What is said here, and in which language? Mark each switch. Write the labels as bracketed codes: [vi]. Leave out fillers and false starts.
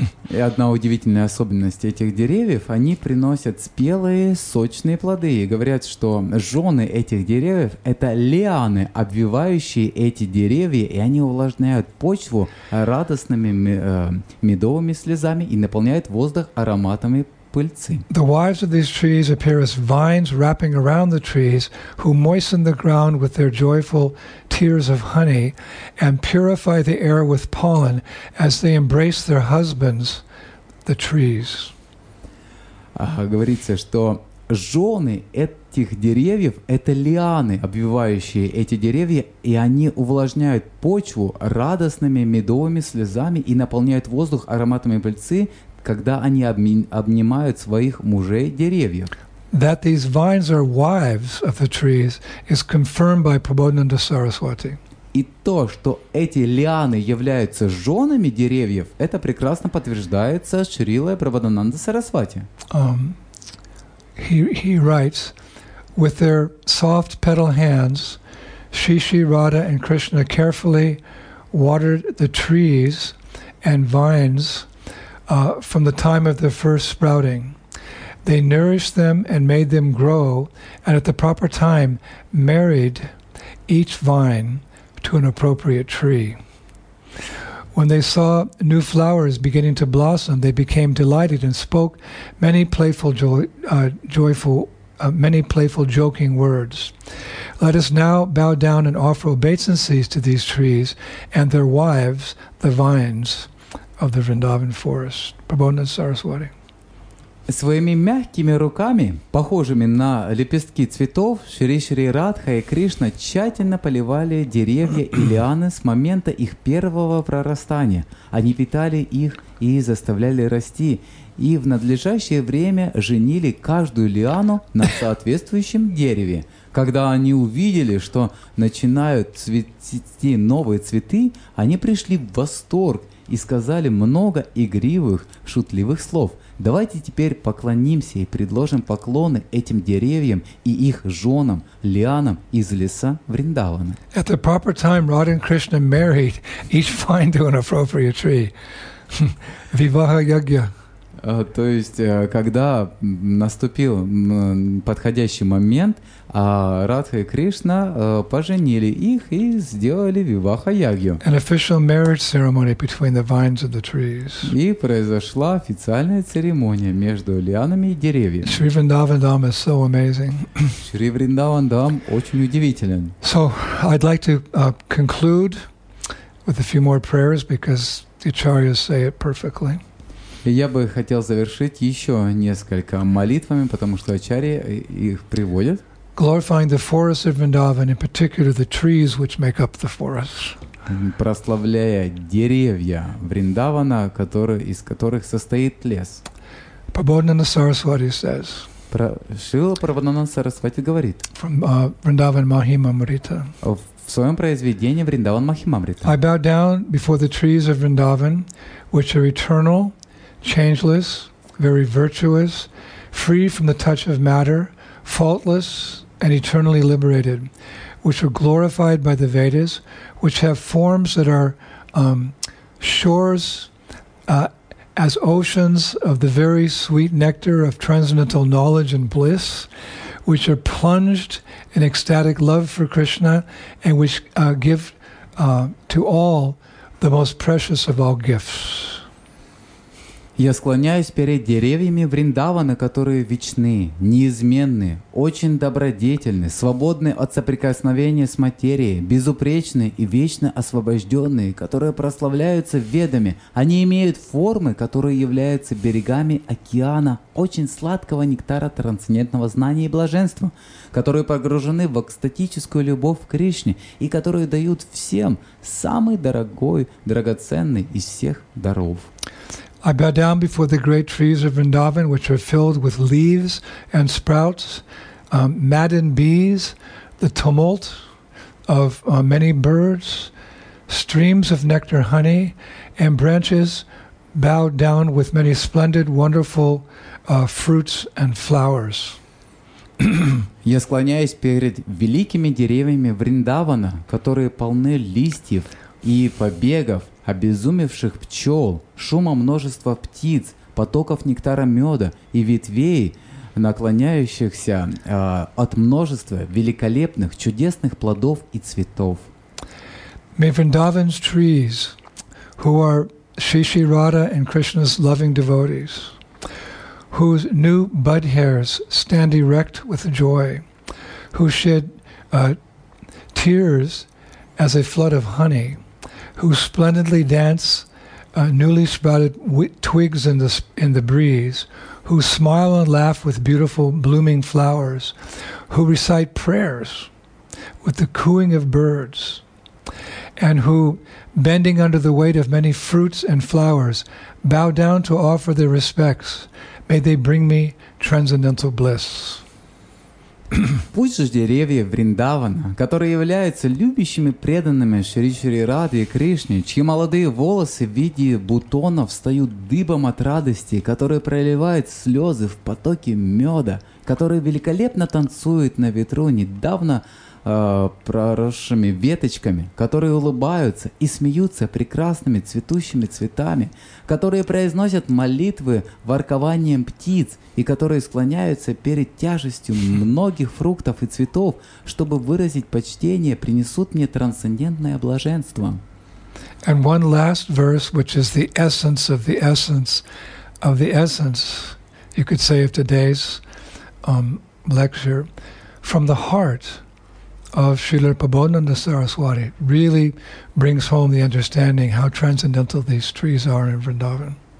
[ru] И одна удивительная особенность этих деревьев – они приносят спелые, сочные плоды. И говорят, что жены этих деревьев – это лианы, обвивающие эти деревья, и они увлажняют почву радостными медовыми слезами и наполняют воздух ароматами пыльцы. [en] The wives of these trees appear as vines wrapping around the trees, who moisten the ground with their joyful tears of honey and purify the air with pollen as they embrace their husbands, the trees. [ru] Говорится, что жены этих деревьев – это лианы, обвивающие эти деревья, и они увлажняют почву радостными медовыми слезами и наполняют воздух ароматами пыльцы, когда они обнимают своих мужей деревьев. [en] That these vines are wives of the trees is confirmed by Prabodhananda Saraswati. [ru] И то, что эти лианы являются женами деревьев, это прекрасно подтверждается Шрилой Прабхупадой Сарасвати. [en] He writes, with their soft petal hands, Shri Shri Radha and Krishna carefully watered the trees and vines from the time of their first sprouting. They nourished them and made them grow, and at the proper time married each vine to an appropriate tree. When they saw new flowers beginning to blossom, they became delighted and spoke many playful, joyful, joking words. Let us now bow down and offer obeisances to these trees and their wives, the vines of the Vrindavan forest. Prabodhananda Saraswati. [ru] Своими мягкими руками, похожими на лепестки цветов, Шри Шри Радха и Кришна тщательно поливали деревья и лианы с момента их первого прорастания. Они питали их и заставляли расти, и в надлежащее время женили каждую лиану на соответствующем дереве. Когда они увидели, что начинают цвести новые цветы, они пришли в восторг и сказали много игривых, шутливых слов. Давайте теперь поклонимся и предложим поклоны этим деревьям и их женам, лианам из леса Вриндавана. [en] At the proper time, Radha and Krishna married each vine to an appropriate tree. Vivaha yagya. [ru] То есть, когда наступил подходящий момент, Радха и Кришна поженили их и сделали виваха ягью. [en] An official marriage ceremony between the vines and the trees. [ru] И произошла официальная церемония между лианами и деревьями. [en] Shri Vrindavan Dham is so amazing. [ru] Shri Vrindavan Dham очень удивителен. [en] So I'd like to conclude with a few more prayers because the acharyas say it perfectly. [ru] Я бы хотел завершить еще несколько молитвами, потому что ачарьи их приводят. [en] Glorifying the forest of Vrindavan, in particular the trees which make up the forest. [ru] Прославляя деревья Вриндавана, из которых состоит лес. [en] Prabodhananda Saraswati says. [ru] Шрила Прабхупада Сарасвати говорит. [en] From Vrindavan Mahimamrita. [ru] В своем произведении Вриндаван Махимамрита. [en] I bow down before the trees of Vrindavan, which are eternal, changeless, very virtuous, free from the touch of matter, faultless and eternally liberated, which are glorified by the Vedas, which have forms that are shores as oceans of the very sweet nectar of transcendental knowledge and bliss, which are plunged in ecstatic love for Krishna, and which give to all the most precious of all gifts. [ru] Я склоняюсь перед деревьями Вриндавана, которые вечны, неизменны, очень добродетельны, свободны от соприкосновения с материей, безупречны и вечно освобожденные, которые прославляются ведами. Они имеют формы, которые являются берегами океана, очень сладкого нектара трансцендентного знания и блаженства, которые погружены в экстатическую любовь к Кришне и которые дают всем самый дорогой, драгоценный из всех даров. [en] I bow down before the great trees of Vrindavan, which are filled with leaves and sprouts, maddened bees, the tumult of many birds, streams of nectar honey, and branches bowed down with many splendid, wonderful fruits and flowers. [ru] Я склоняюсь перед великими деревьями Вриндавана, которые полны листьев и побегов, обезумевших пчел, шума множества птиц, потоков нектара меда и ветвей, наклоняющихся от множества великолепных, чудесных плодов и цветов. [en] May Vrindavan's trees, who are Shri Shri Radha and Krishna's loving devotees, whose new bud hairs stand erect with joy, who shed tears as a flood of honey, who splendidly dance newly sprouted twigs in the breeze, who smile and laugh with beautiful blooming flowers, who recite prayers with the cooing of birds, and who, bending under the weight of many fruits and flowers, bow down to offer their respects. May they bring me transcendental bliss. [ru] Пусть же деревья Вриндавана, которые являются любящими преданными Шри Шри Раде и Кришне, чьи молодые волосы в виде бутонов встают дыбом от радости, которые проливают слезы в потоке меда, которые великолепно танцуют на ветру недавно проросшими веточками, которые улыбаются и смеются прекрасными цветущими цветами, которые произносят молитвы воркованием птиц и которые склоняются перед тяжестью многих фруктов и цветов, чтобы выразить почтение, принесут мне трансцендентное блаженство. [en] And one last verse, which is the essence of the essence of the essence, you could say, of today's lecture, from the heart of Srila Prabodhananda Saraswati really brings home the understanding how transcendental these trees are in Vrindavan.